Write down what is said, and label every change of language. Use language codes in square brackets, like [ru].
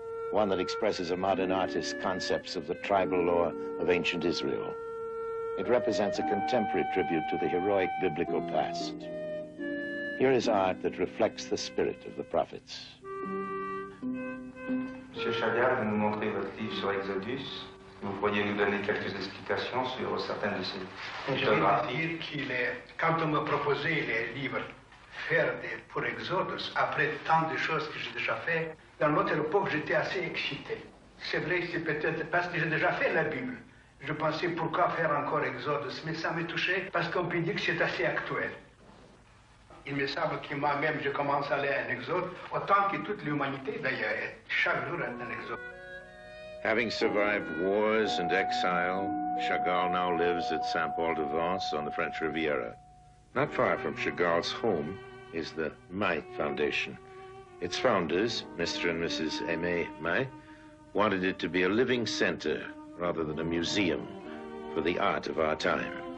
[en] one that expresses a modern artist's concepts of the tribal lore of ancient Israel. It represents a contemporary tribute to the heroic biblical past. Here is art that reflects the spirit of the prophets. [fr] Monsieur Chabert, vous nous montrez votre livre sur Exodus. Vous pourriez nous donner quelques explications sur certaines de ces photographies. Quand on m'a proposé les livres faire pour Exodus, après tant de choses que j'ai déjà fait, dans notre époque, j'étais assez excité. C'est vrai, c'est peut-être parce que j'ai déjà fait la Bible. Je pensais pourquoi faire encore Exodus, mais ça m'a touché parce qu'on peut dire que c'est assez actuel. Il me semble que moi-même, je commence à aller en Exode, autant que toute l'humanité d'ailleurs, est chaque jour en Exode. [en] Having survived wars and exile, Chagall now lives at Saint-Paul-de-Vence on the French Riviera. Not far from Chagall's home is the Mai Foundation. Its founders, Mr. and Mrs. Aimé Mai, wanted it to be a living center rather than a museum for the art of our time.